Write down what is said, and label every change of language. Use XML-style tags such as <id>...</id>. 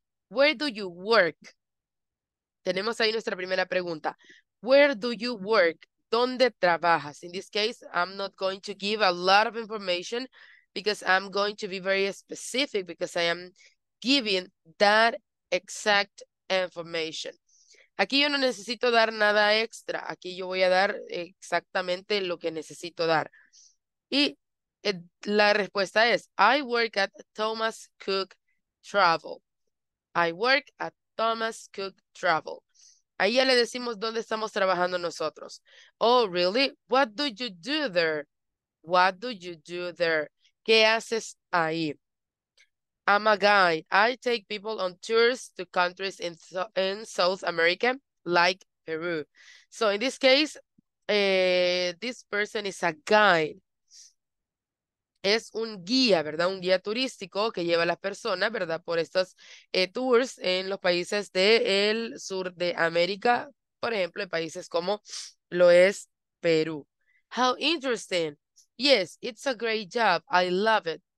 <en>Where do you work?</en> <es>Tenemos ahí nuestra primera pregunta.</es> <en>Where do you work?</en> <es>¿Dónde trabajas?</es> <en>In this case, I'm not going to give a lot of information because I'm going to be very specific because I am giving that exact information.</en> <es>Aquí yo no necesito dar nada extra. Aquí yo voy a dar exactamente lo que necesito dar. Y la respuesta es,</es> <en>I work at Thomas Cook Travel. I work at Thomas Cook Travel.</en> <es>Ahí ya le decimos dónde estamos trabajando nosotros.</es> <en>Oh, really? What do you do there? What do you do there?</en> <es>¿Qué haces ahí?</es> <en>I'm a guide. I take people on tours to countries in South America, like Peru. So in this case, this person is a guide.</en> <es>Es un guía, ¿verdad? Un guía turístico que lleva a las personas, ¿verdad? Por estos tours en los países del sur de América, por ejemplo, en países como lo es Perú.</es> <en>How interesting. Yes, it's a great job. I love it.</en>